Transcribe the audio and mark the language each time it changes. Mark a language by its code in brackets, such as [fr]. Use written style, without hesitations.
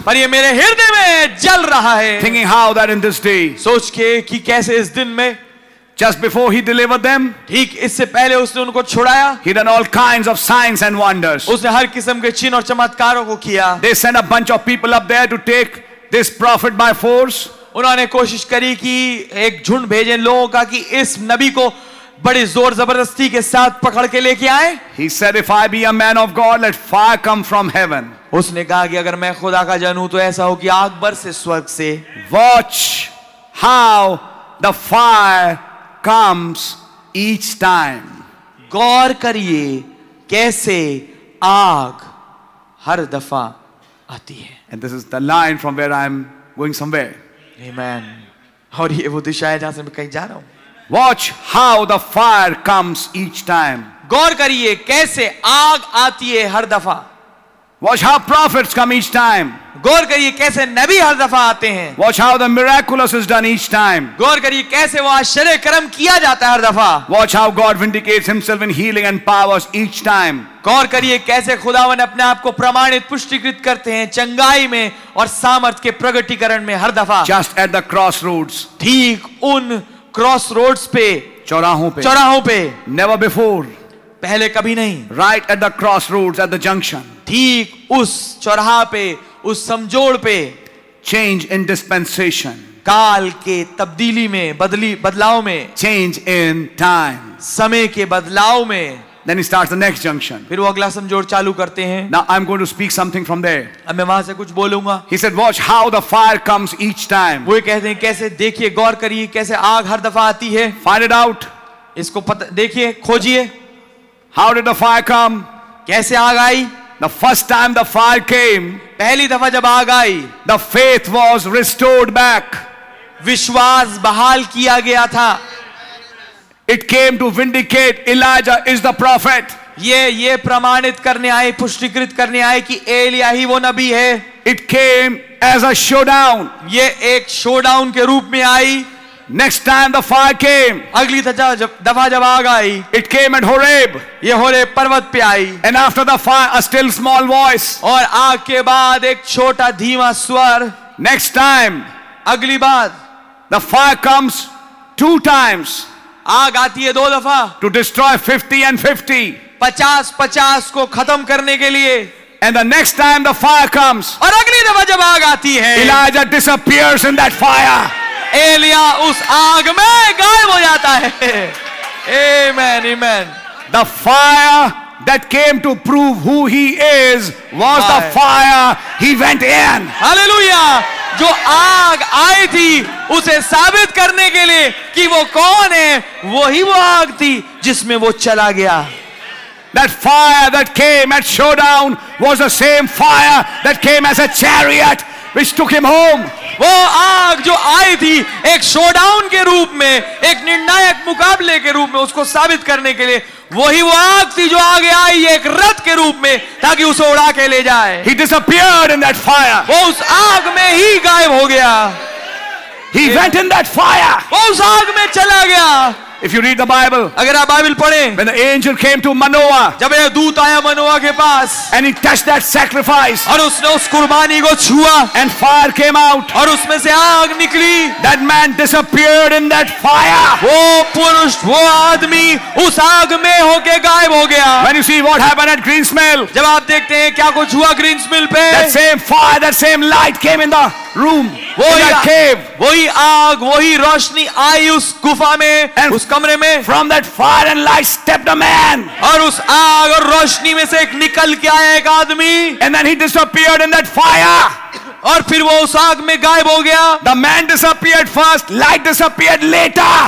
[hi] पर ये मेरे हृदय में जल रहा है. [en] Thinking how that in this day. [hi] सोच के कि कैसे इस दिन में. [en] Just before he delivered them, [hi] ठीक इससे पहले उसने उनको छुड़ाया. [en] He done all kinds of signs and wonders. [hi] उसने हर किस्म के चिन्ह और चमत्कारों को किया. [en] They sent a bunch of people up there to take this prophet by force. [hi] उन्होंने कोशिश करी कि एक झुंड भेजे लोगों का कि इस नबी को बड़े जोर जबरदस्ती के साथ पकड़ के लेके आए. [en] He said, if I be a man of God, let fire come from heaven. [hi] उसने कहा कि अगर मैं खुदा का जन हूं तो ऐसा हो कि आग बरसे स्वर्ग से. [en] Watch how the fire comes each time. [hi] गौर करिए कैसे आग हर दफा आती है. [en] And this is the line from where I am going somewhere. Amen. [hi] और ये वो दिशा है जहां से मैं कहीं जा रहा हूं. [en] Watch how the fire comes each time. [hi] गौर करिए कैसे आग आती है हर दफा. [en] Watch how prophets come each time. [hi] गौर करिए कैसे नबी हर दफा आते हैं. [en] Watch how the miraculous is done each time. [hi] गौर करिए कैसे वो आश्चर्य कर्म किया जाता है हर दफा. [en] Watch how God vindicates himself in healing and powers each time. [hi] गौर करिए कैसे खुदावन अपने आप को प्रमाणित पुष्टिकृत करते हैं चंगाई में और सामर्थ के प्रगटीकरण में हर दफा. [en] Just at the crossroads. [hi] ठीक उन crossroads पे चौराहों पे. [en] Never before. [hi] पहले कभी नहीं. [en] Right at the crossroads, at the junction. [hi] ठीक उस चौराहा पे उस समझोड़ पे. [en] Change in dispensation. [hi] काल के तब्दीली में बदलाव में. [en] Change in time. [hi] समय के बदलाव में. [en] Then he starts the next junction. [hi] फिर वो अगला समझोड़ चालू करते हैं. [en] Now I'm going to speak something from there. [hi] अब मैं वहाँ से कुछ बोलूँगा. [en] He said, watch how the fire comes each time. [hi] वो ये कहते हैं कैसे देखिए गौर करिए कैसे आग हर दफा आती है. [en] Find it out. [hi] इसको देखिए खोजिए. [en] How did the fire come? [hi] कैसे आग आई? [en] The first time the fire came. [hi] पहली दफा जब आग आई. [en] The faith was restored back. [hi] विश्वास बहाल किया गया था. [en] It came to vindicate Elijah is the prophet. [hi] ये प्रमाणित करने आए पुष्टिकृत करने आए कि एलिया ही वो नबी है. [en] It came as a showdown. [hi] ये एक showdown के रूप में आई. [en] Next time the fire came. [hi] अगली दफा जब आग आई. [en] It came at Horeb. [hi] ये होरेब पर्वत पे आई. [en] And after the fire a still small voice. [hi] और आग के बाद एक छोटा धीमा स्वर. [en] Next time. [hi] अगली बार. [en] The fire comes two times. [hi] आग आती है दो दफा. [en] To destroy 50 and 50. [hi] 50-50 को खत्म करने के लिए. [en] And the next time the fire comes. [hi] और अगली दफा जब आग आती है. [en] Elijah disappears in that fire. [hi] Elia उस आग में गायब हो जाता है. [en] Amen, amen. The fire that came to prove who he is was the fire he went in. Hallelujah. [hi] जो आग आई थी उसे साबित करने के लिए कि वो कौन है वही वो आग थी जिसमें वो चला गया. [en] That fire that came at showdown was the same fire that came as a chariot which took him home. [hi] वो आग जो आई थी एक शोडाउन के रूप में एक निर्णायक मुकाबले के रूप में उसको साबित करने के लिए वही वो आग थी जो आगे आई एक रथ के रूप में ताकि उसे उड़ा के ले जाए. [en] He disappeared in that fire. [hi] वो उस आग में ही गायब हो गया. [en] He went in that fire. [hi] वो उस आग में चला गया. [en] If you read the Bible, [hi] अगर आप बाइबल पढ़ें, [en] when the angel came to Manoah, [hi] जब यह दूत आया मनोवा के पास, [en] and he touched that sacrifice, [hi] और उसने उस कुर्बानी को छुआ, [en] and fire came out, [hi] और उसमें से आग निकली, [en] that man disappeared in that fire. [hi] वो पुरुष, वो आदमी, उस आग में होके गायब हो गया. [en] When you see what happened at Greensmill, [hi] जब आप देखते हैं क्या कुछ हुआ ग्रीनस्मिल पे, [en] that same fire, that same light came in the room, [hi] वो [en] in that cave, [hi] वही आग, वही रोशनी आई उस गुफा में, [en] and [hi] उस कमरे में. [en] From that fire and light stepped a man. [hi] और उस आग और रोशनी में से एक निकल के आया एक आदमी. [en] And then he disappeared in that fire. [hi] और फिर वो उस आग में गायब हो गया. [en] The man disappeared first, light disappeared later.